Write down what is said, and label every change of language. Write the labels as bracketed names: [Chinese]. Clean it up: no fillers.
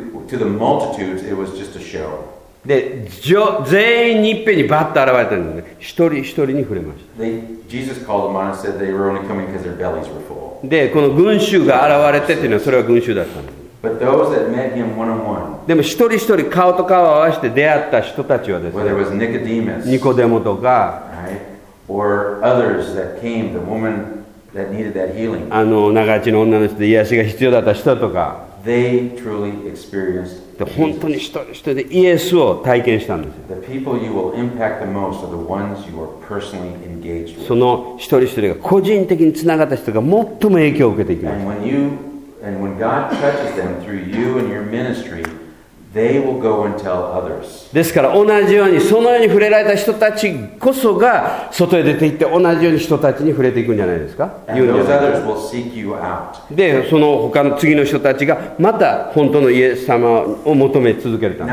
[English] To the multitudes, it was just a show. [Japanese] で、全員にいっぺんにバッと現れたので、一人一人に触れました。 [English] Jesus called them on and said they were only coming because their bellies were full. [Japanese] で、この群衆が現れてというのはそれは群衆だったんです。 [English] But those that met him one-on-one, [Japanese] でも一人一人顔と顔を合わせて出会った人たちはですね [English] whether it was Nicodemus, [Japanese] ニコデモとか、 [English] right? or others that came, the woman that needed that healing, [Japanese] あの長血の女の人で癒しが必要だった人とか [English] they truly experienced Jesus. [Japanese] で本当に一人一人でイエスを体験したんですよ [English] the people you will impact the most are the ones you are personally engaged with. [Japanese] その一人一人が個人的につながった人が最も影響を受けていきました [English] and when youAnd when God touches them through you and your ministry, they will go and tell others. [Japanese] ですから同じようにそのように触れられた人たちこそが外へ出て行って同じように人たちに触れていくんじゃないですか。 [English] And those others will seek you out. [Japanese] でその他の次の人たちがまた本当のイエス様を求め続けるため。